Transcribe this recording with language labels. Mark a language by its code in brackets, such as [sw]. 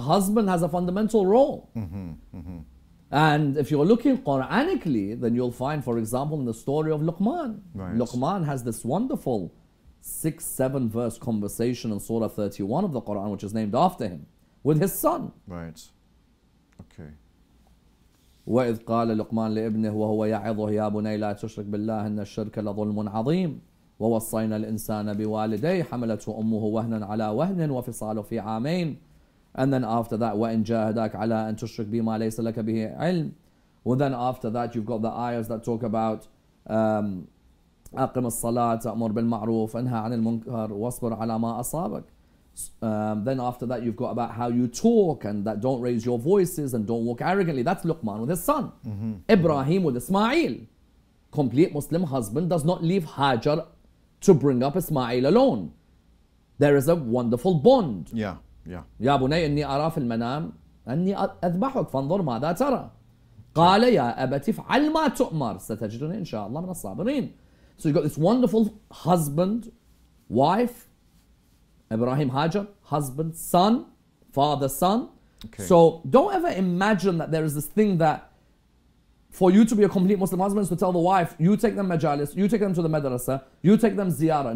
[en] The husband has a fundamental role. And if you're looking Quranically, then you'll find, for example, in the story of Luqman. Right. Luqman has this wonderful 6-7 verse conversation in Surah 31 of the Quran, which is named after him, with his son. Right. Okay. [ar] وَإِذْ قَالَ لُقْمَانَ لِإِبْنِهِ وَهُوَ يَعِظُهُ يَا بُنَيَّ لَا تُشْرِكْ بِاللَّهِ إِنَّ الشِّرْكَ لَظُلْمٌ عَظِيمٌ ووصينا الإنسان بوالديه حملته أمه وهنا على وهن وفصاله في عامين [en] and then after that [ar] وإن جاهداك على أن تشرك بما ليس لك به علم [en] and then after that you've got the ayahs that talk about [ar] أقم الصلاة أمر بالمعروف أنهى عن المنكر واصبر على ما أصابك [en] then after that you've got about how you talk and that don't raise your voices and don't walk arrogantly. That's Luqman with his son Ibrahim with Ismail. Complete Muslim husband does not leave Hajar to bring up Ismail alone. There is a wonderful bond. Yeah, yeah. [ar] Ya bunay inni ara fil manam أني أذبحك فانظر ماذا ترى قال يا أبتي فعل ما تؤمر ستجدني إن شاء الله من الصابرين. [en] So you got this wonderful husband, wife, Ibrahim Hajar, husband, son, father, son. Okay. So don't ever imagine that there is this thing that for you to be a complete Muslim husband is to tell the wife, you take them majalis, you take them to the madrasa, you take them ziyara.